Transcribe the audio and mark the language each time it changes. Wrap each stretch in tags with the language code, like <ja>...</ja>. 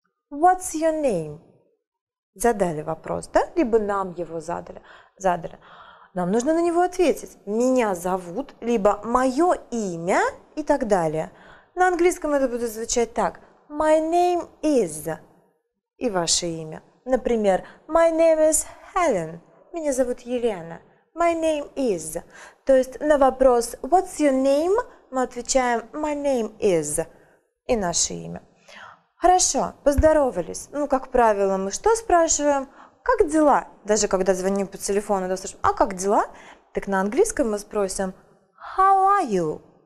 <en>What's your name?</en> <ru>Задали вопрос, да? Либо нам его задали. Нам нужно на него ответить. Меня зовут, либо мое имя и так далее. На английском это будет звучать так.</ru> <en>My name is.</en> <ru>И ваше имя. Например,</ru> <en>my name is Helen.</en> <ru>Меня зовут Елена.</ru> <en>My name is.</en> <ru>То есть на вопрос</ru> <en>what's your name</en> <ru>мы отвечаем</ru> <en>my name is.</en> <ru>И наше имя. Хорошо, поздоровались. Ну, как правило, мы что спрашиваем? Как дела? Даже когда звоним по телефону, да, спрашиваем, а как дела? Так на английском мы спросим</ru> <en>how are you?</en>